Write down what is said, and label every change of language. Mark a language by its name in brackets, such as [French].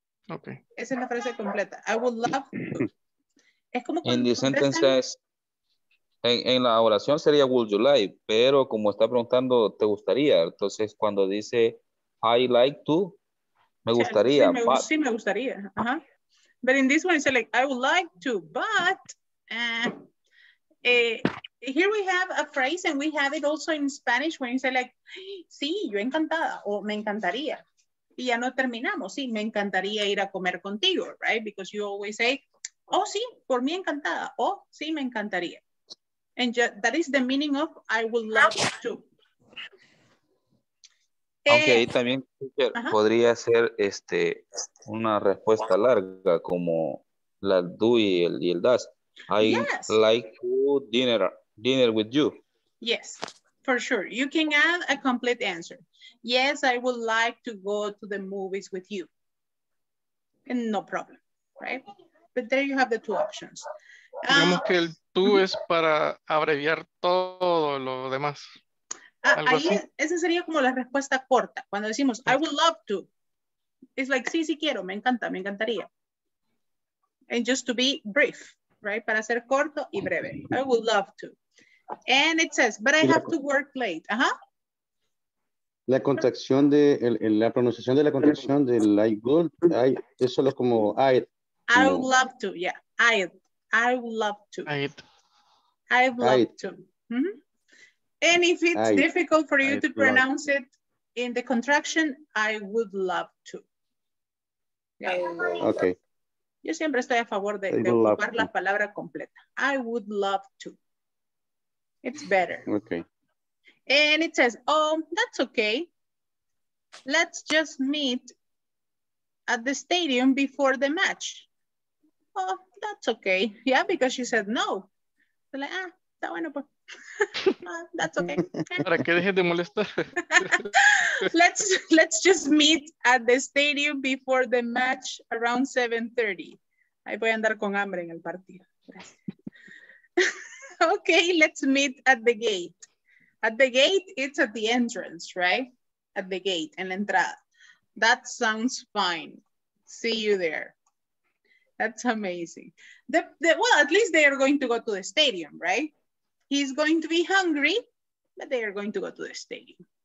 [English] Okay. [Spanish] Esa es la frase completa. [English] I would love to. [Spanish] Es como [English] in the sentences, [Spanish] en la oración sería [English] would you like, [Spanish] pero como está preguntando, te gustaría. Entonces, cuando dice [English] I like to, [Spanish] me gustaría. Sí, but... sí me gustaría. Uh-huh. [English] But in this one, it's like I would like to, but here we have a phrase and we have it also in Spanish when you say like, [Spanish] sí, yo encantada o me encantaría. Y ya no terminamos. Sí, me encantaría ir a comer contigo, right? [English] Because you always say, oh, [Spanish] sí, por mí encantada. [English] Oh, [Spanish] sí, me encantaría. [English] And that is the meaning of I would love to. [Spanish] Aunque ahí también podría ser una respuesta larga como la do y el does. [English] Like to dinner with you. Yes, for sure. You can add a complete answer. Yes, I would like to go to the movies with you. And no problem, right? But there you have the two options. [Spanish] Digamos que el tú es para abreviar todo lo demás. Esa sería como la respuesta corta. Cuando decimos, [English] I would love to. It's like, [Spanish] sí, sí quiero, me encanta, me encantaría. [English] And just to be brief, right? [Spanish] Para ser corto y breve. [English] I would love to. And it says, but I have to work late. Ajá. [Spanish] La contracción de, la pronunciación de la contracción de like good, eso es como I'd. [English] I would love to, yeah. I would love to. I'd love to. Mm-hmm. And if it's difficult for you to pronounce it in the contraction, I would love to. Yeah. Okay. [Spanish] Yo siempre estoy a favor de ocupar la palabra completa. [English] I would love to. It's better. Okay. And it says, oh, that's okay. Let's just meet at the stadium before the match. Oh, that's okay. Yeah, because she said no. So like, [Spanish] ah, está bueno, pues. [English] That's okay. [Spanish] ¿Para qué dejes de molestar? [English] Let's just meet at the stadium before the match around 7:30. [Spanish] Ahí voy a andar con hambre en el partido. [English] Okay, let's meet at the gate. At the gate, it's at the entrance, right? At the gate, [Spanish] en la entrada. [English] That sounds fine. See you there. That's amazing. Well, at least they are going to go to the stadium, right? He's going to be hungry, but they are going to go to the stadium.